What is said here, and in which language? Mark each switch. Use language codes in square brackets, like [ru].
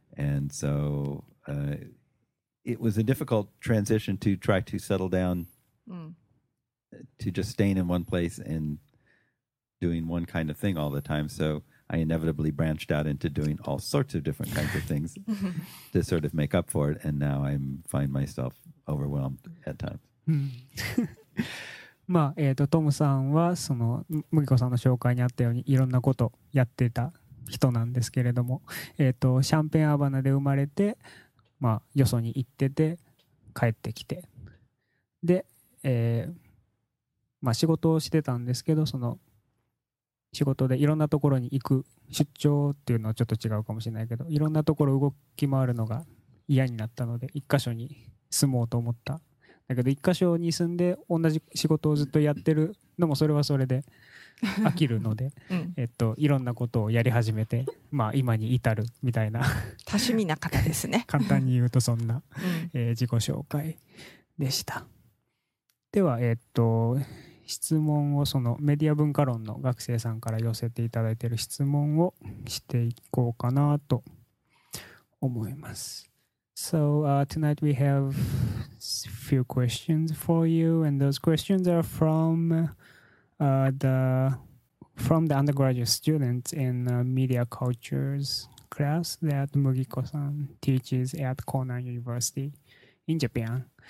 [ja] And so it was a difficult transition to try to settle down, to just staying in one place and doing one kind of thing all the time. So I inevitably branched out into doing all sorts of different kinds of things to sort of make up for it. And now I find myself overwhelmed at times. まあ、トムさんはその麦子さんの紹介にあったようにいろんなことやってた人なんですけれども、シャンペーンアバナで生まれて、まあ、よそに行ってて帰ってきて、で、まあ、仕事をしてたんですけど、その仕事でいろんなところに行く、出張っていうのはちょっと違うかもしれないけど、いろんなところ動き回るのが嫌になったので一箇所に住もうと思った。だけど一箇所に住んで同じ仕事をずっとやってるのもそれはそれで飽きるので、うん、いろんなことをやり始めて、まあ、今に至るみたいな多趣味な方ですね。簡単に言うとそんな、自己紹介でした。では質問を、そのメディア文化論の学生さんから寄せていただいている質問をしていこうかなと思います。 [en] So tonight we have a few questions for you, and those questions are from from the undergraduate students in media cultures class that Mugiko-san teaches at Konan University in Japan.